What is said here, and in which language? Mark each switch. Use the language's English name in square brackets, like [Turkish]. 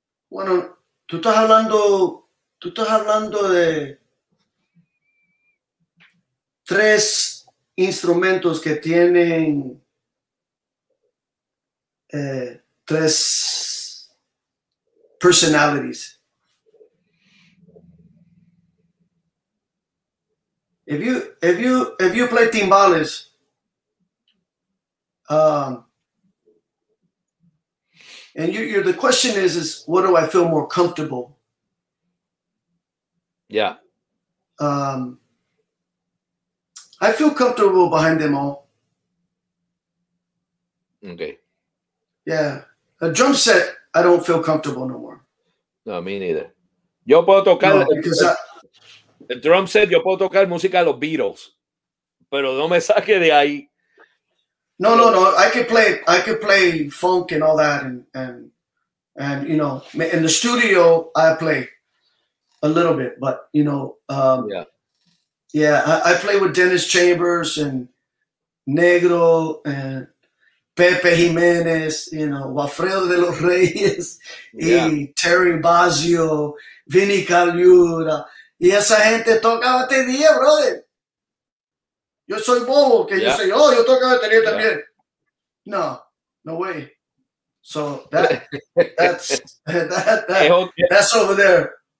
[Spanish] Bueno, tú estás hablando de tres instrumentos que tienen tres [English] personalities. If you play timbales, and you're the question is what do I feel more comfortable? Yeah. I feel comfortable behind them all. Okay. Yeah. A drum set, I don't feel comfortable no more. No, me neither. [Spanish] Yo puedo tocar el drum set, yo puedo tocar música de los Beatles. Pero no me saque de ahí. No. [English] I can play funk and all that and you know, in the studio I play a little bit, but you know, I play with Dennis Chambers and Negro and Pepe Jimenez, you know, Wilfredo de los Reyes, yeah. [Spanish] Y Terry Bozzio, Vinny Caliura, y esa gente toca batería, brother. Yo soy bobo, que yeah. Yo soy, oh, yo toco batería yeah. También. [English] No way. So that's over there.